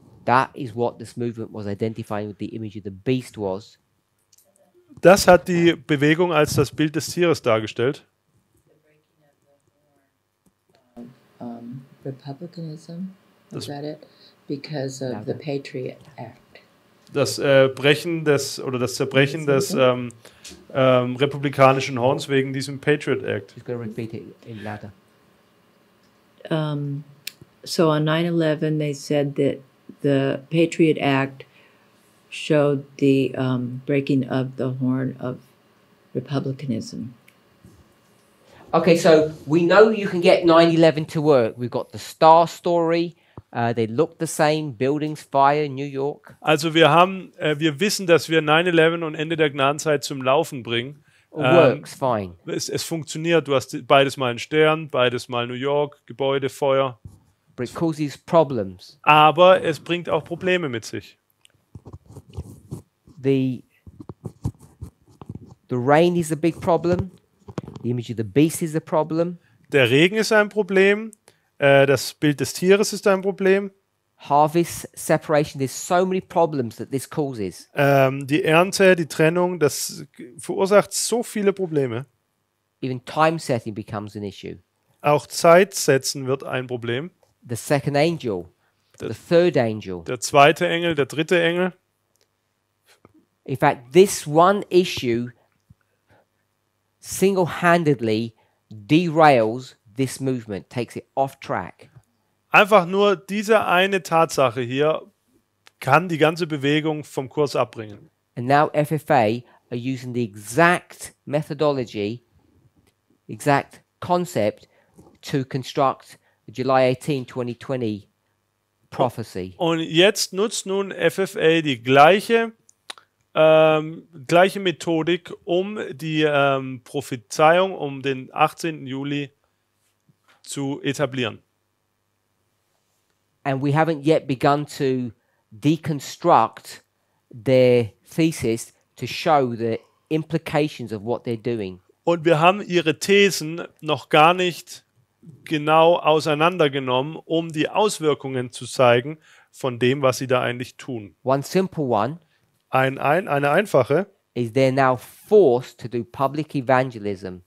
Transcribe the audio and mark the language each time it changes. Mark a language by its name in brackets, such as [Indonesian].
[English] That is what this movement was identifying with the image of the beast was. [German] Das hat die Bewegung als das Bild des Tieres dargestellt. [English] Republicanism, is that it? Because of the Patriot Act. [German] Das Brechen des oder das Zerbrechen des republikanischen Horns wegen diesem Patriot Act. [English] He's going to repeat it in louder. So on 9/11, they said that the Patriot Act showed the breaking of the horn of republicanism. Okay, so we know you can get 9/11 to work. We've got the star story. They look the same. Buildings, fire, New York. [German] Also wir wissen, dass wir 9/11 und Ende der Gnadenzeit zum Laufen bringen. [English] Works fine. [German] Es funktioniert. Du hast beides mal einen Stern, beides mal New York, Gebäude, Feuer. [English] But it causes problems. [German] Aber es bringt auch Probleme mit sich. [English] The rain is a big problem. The image of the beast is a problem. [German] Der Regen ist ein Problem. Das Bild des Tieres ist ein Problem. [English] harvest separation. There's so many problems that this causes. [German] Die Ernte, die Trennung, das verursacht so viele Probleme. [English] Even time setting becomes an issue. [German] Auch Zeitsetzen wird ein Problem. [English] The second angel, the third angel. [German] Der zweite Engel, der dritte Engel. [English] In fact, this one issue single-handedly derails this movement, takes it off track. [German] Einfach nur diese eine Tatsache hier kann die ganze Bewegung vom Kurs abbringen. [English] And now FFA are using the exact methodology, exact concept to construct the July 18, 2020 prophecy. [German] Und jetzt nutzt nun FFA die gleiche gleiche Methodik, um die Prophezeiung um den 18. Juli zu etablieren. [English] And we haven't yet begun to deconstruct their thesis to show the implications of what they're doing. [German] Und wir haben ihre Thesen noch gar nicht genau auseinandergenommen, um die Auswirkungen zu zeigen von dem, was sie da eigentlich tun. [English] One simple one. [German] Eine einfache. [English] Is they're now forced to do public evangelism.